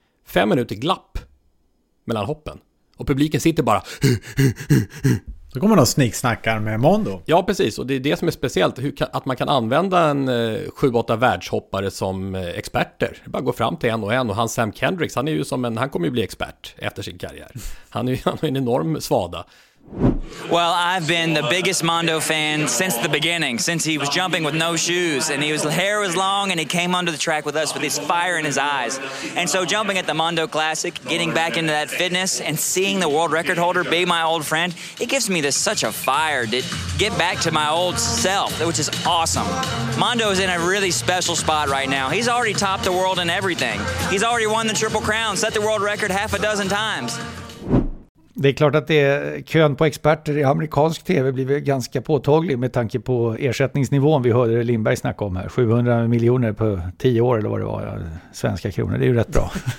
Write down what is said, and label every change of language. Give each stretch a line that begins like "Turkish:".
Swedish: 5 minuter glapp mellan hoppen. Och publiken sitter bara... Då kommer de snicksnackar med Mondo. Ja, precis. Och det är det som är speciellt. Att man kan använda en 7-8 världshoppare som experter. Bara gå fram till en. Och han Sam Kendricks, han är ju som en, han kommer ju bli expert efter sin karriär. Han är en enorm svada.
English: Well, I've been the biggest Mondo fan since the beginning, since he was jumping with no shoes, and his hair was long, and he came onto the track with us with this fire in his eyes. And so jumping at the Mondo Classic, getting back into that fitness, and seeing the world record holder be my old friend, it gives me this such a fire to get back to my old self, which is awesome. Mondo is in a really special spot right now. He's already topped the world in everything. He's already won the Triple Crown, set the world record half a dozen times.
Swedish: Det är klart att det är kön på experter i amerikansk tv blir ganska påtaglig med tanke på ersättningsnivån vi hörde Lindberg snacka om här. 700 miljoner på 10 år eller vad det var, svenska kronor. Det är ju rätt bra.